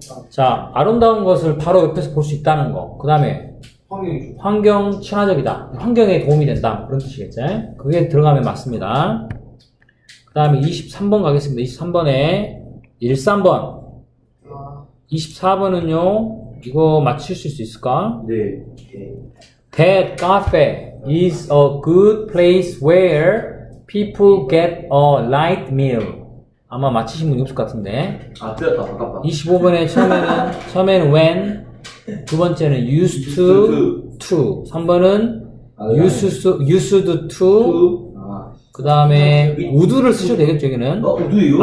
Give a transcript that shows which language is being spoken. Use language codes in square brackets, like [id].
[ko] 자, 아름다운 것을 바로 옆에서 볼 수 있다는 거. 그 다음에 환경 친화적이다. 환경에 도움이 된다. 그런 뜻이겠지? 그게 들어가면 맞습니다. 그 다음에 23번 가겠습니다. 23번에 1, 3번. 24번은요, 이거 맞출 수 있을까? 네. [en] That cafe is a good place where people get a light meal. [ko] 아마 맞추신 분이 없을 것 같은데. 아, 틀렸다. 아깝다. 25번에 처음에는 when, 두 번째는 used to, 3번은 used to, 그 다음에 would를 쓰셔도 되겠죠, 여기는. 어, 우드요?